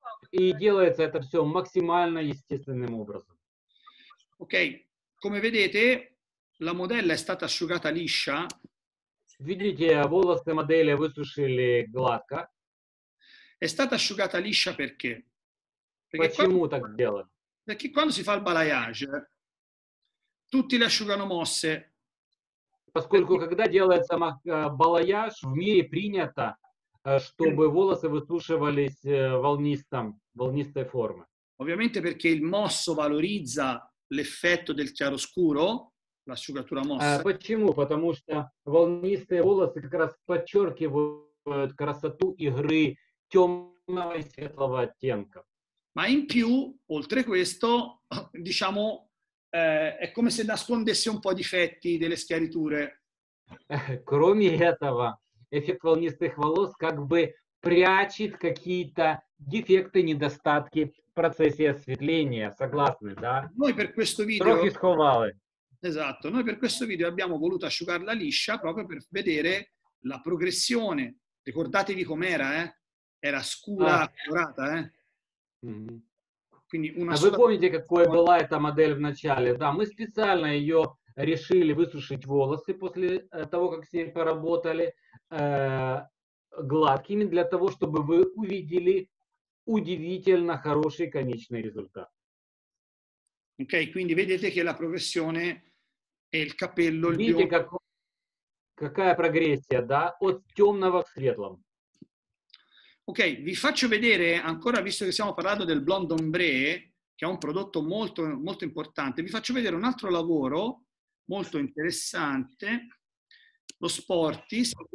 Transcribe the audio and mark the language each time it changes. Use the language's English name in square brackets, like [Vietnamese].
[Russian] И делается это все максимально естественным образом. [Italian] Ok, come vedete, la modella è stata asciugata liscia. [Russian] Видите, волосы модели высушили гладко. [Italian] È stata asciugata liscia perché? Perché quando si fa il balayage, tutti le asciugano mosse. [Russian] Поскольку когда делается балаяж, в мире принято, чтобы волосы высушивались волнистой формы. [Italian] Ovviamente perché il mosso valorizza l'effetto del chiaroscuro, l'asciugatura mossa. [Russian] Почему? Потому что волнистые волосы как раз подчеркивают красоту игры темного и светлого оттенка. [Italian] Ma in più, oltre questo, diciamo, è come se nascondesse un po' i difetti delle schiariture. [Russian] Кроме этого, эффект волнистых волос как бы прячет какие-то дефекты, недостатки в процессе осветления, согласны, да? [Italian] Noi per questo video. [Ukrainian] Трохи сховали. [Italian] Esatto, noi per questo video abbiamo voluto asciugarla liscia proprio per vedere la progressione. Ricordatevi com'era, eh? Era scura, colorata, eh? Quindi una [Russian] вы помните, какой была эта модель в начале? Да, мы специально ее решили высушить волосы после того, как с ней поработали гладкими, для того, чтобы вы увидели удивительно хороший конечный результат. [Italian] Okay, quindi vedete che la progressione è il capello. [Russian] Видите, какая прогрессия, да, от темного к светлому. [Italian] Ok, vi faccio vedere ancora, visto che stiamo parlando del Blonde Ombre, che è un prodotto molto, molto importante, vi faccio vedere un altro lavoro molto interessante, lo Sportis.